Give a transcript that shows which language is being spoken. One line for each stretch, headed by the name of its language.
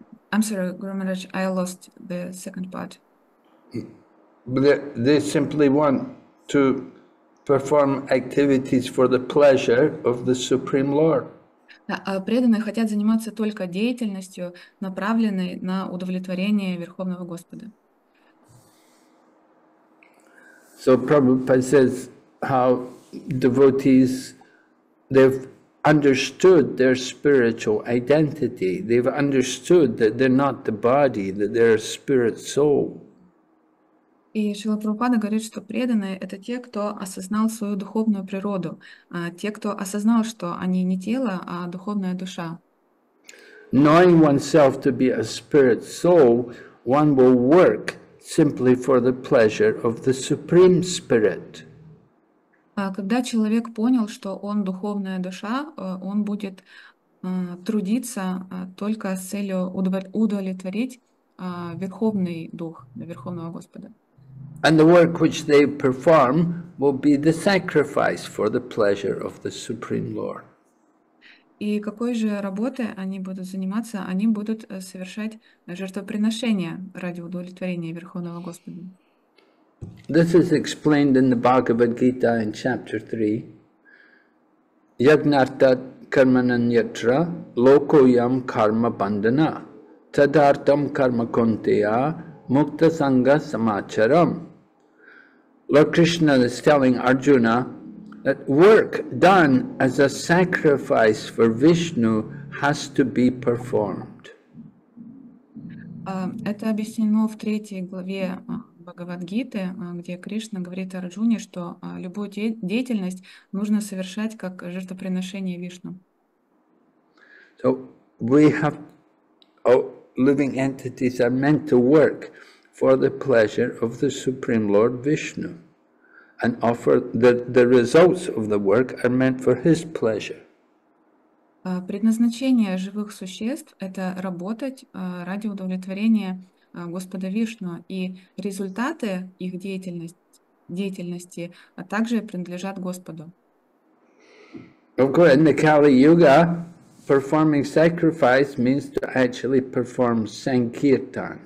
English: I'm sorry, Guru Maharaj, I lost the second part. They simply want to perform activities for the pleasure of the Supreme Lord.
Russian: Преданные хотят заниматься только деятельностью, направленной на удовлетворение Верховного Господа.
English: So Prabhupada says how devotees, they've understood their spiritual identity. They've understood that they're not the body, that they're a spirit soul.
Russian: И Шрила Прабхупада говорит, что преданные — это те, кто осознал свою духовную природу, те, кто осознал, что они не тело, а духовная душа.
English: Knowing oneself to be a spirit soul, one will work simply for the pleasure of the Supreme Spirit.
Russian: Когда человек понял, что он духовная душа, он будет трудиться только с целью удовлетворить Верховный Дух, Верховного Господа.
English: And the work which they perform will be the sacrifice for the pleasure of the Supreme Lord.
Russian: И какой же работой они будут заниматься? Они будут совершать жертвоприношение ради удовлетворения Верховного Господа.
English: This is explained in the Bhagavad Gita in chapter 3.
Sanskrit: Yagnartha karmananyatra lokoyam karma bandana tadartam karma konteya mukta sangha samacharam.
English: Lord Krishna is telling Arjuna that work done as a sacrifice for Vishnu has to be performed.
Russian: Это объяснено в третьей главе Бхагавадгиты, где Кришна говорит Арджуне, что любую деятельность нужно совершать как жертвоприношение Вишну.
English: So we have all living entities are meant to work for the pleasure of the Supreme Lord Vishnu. And offer the results of the work are meant for his pleasure.
Russian: Предназначение живых существ — это работать ради удовлетворения Господа Вишну, и результаты их деятельности также принадлежат Господу.
English: Of course, in the Kali Yuga, performing sacrifice means to actually perform sankirtan.